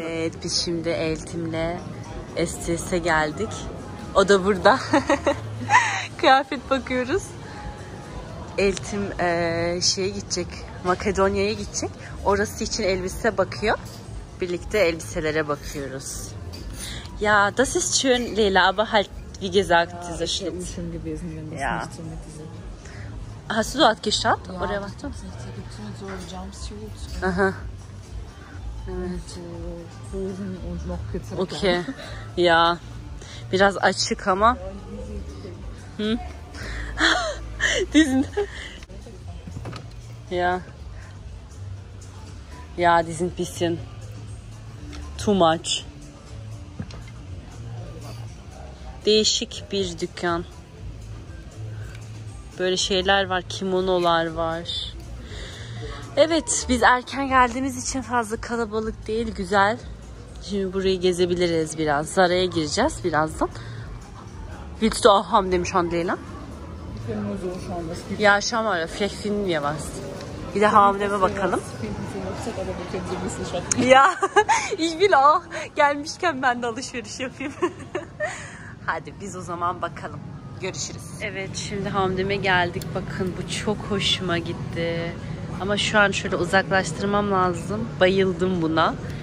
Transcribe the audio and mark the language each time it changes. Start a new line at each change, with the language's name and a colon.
Turkish: Evet, biz şimdi Eltim'le STS'e geldik. O da burada. Kıyafet bakıyoruz. Eltim şeye gidecek. Makedonya'ya gidecek. Orası için elbise bakıyor. Birlikte elbiselere bakıyoruz.
German: Ja, das ist schön, Leyla, aber halt wie gesagt, ja, diese Schnitt. Ja, schön gewesen, wenn das ja. Nicht so mit dieser. Hast du dort geschaut? Ja, oder was? Das ist nicht, da gibt es mit so Jumpsuits. Aha. Und so Hosen und noch kürzer.
Turkish: Okay, ja. Biraz açık ama.
German: Diesen. Ja. Ja, die sind ein bisschen
English: too much.
Turkish: Değişik bir dükkan. Böyle şeyler var, kimonolar var. Evet, biz erken geldiğimiz için fazla kalabalık değil, güzel. Şimdi burayı gezebiliriz biraz. Zara'ya gireceğiz birazdan.
German: Willst du auch haben dem schon Leyla? Ja, schau mal, vielleicht finden wir was.
Turkish: Bir de hamileme bakalım. Ya,
German: ich will auch.
Turkish: Gelmişken ben de alışveriş yapayım. Hadi biz o zaman bakalım. Görüşürüz. Evet, şimdi hamdeme geldik. Bakın bu çok hoşuma gitti. Ama şu an şöyle uzaklaştırmam lazım. Bayıldım buna.